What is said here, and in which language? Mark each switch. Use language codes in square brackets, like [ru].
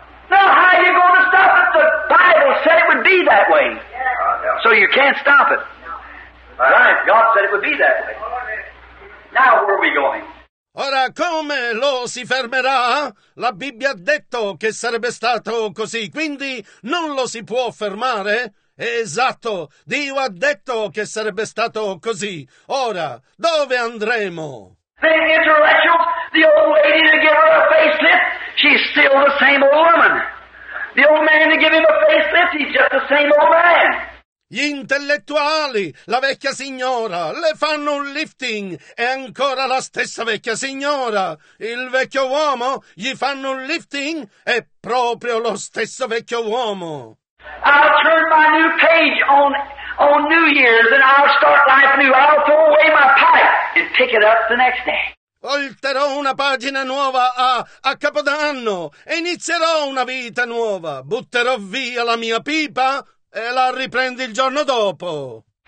[en] Now how are you going to stop it? The Bible said it would be that way. So you can't stop it. Right, God said it would be that way. Now where are we going? [it] Ora come lo si fermerà? La Bibbia ha detto che sarebbe stato così, quindi non lo si può fermare? Esatto, Dio ha detto che sarebbe stato così. Ora, dove andremo? [en] The intellectual, the old lady to give her a facelift, she's still the same old woman. The old man to give him a facelift, he's just the same old man. [it] Gli intellettuali, la vecchia signora, le fanno un lifting, è ancora la stessa vecchia signora. Il vecchio uomo, gli fanno un lifting, è proprio lo stesso vecchio uomo. [en] I'll turn my new cage on New Year's and I'll start life new. I'll throw away my pipe and pick it up the next day. [it] Volterò una pagina nuova a Capodanno e inizierò una vita nuova. Butterò via la mia pipa e la riprendi il giorno dopo.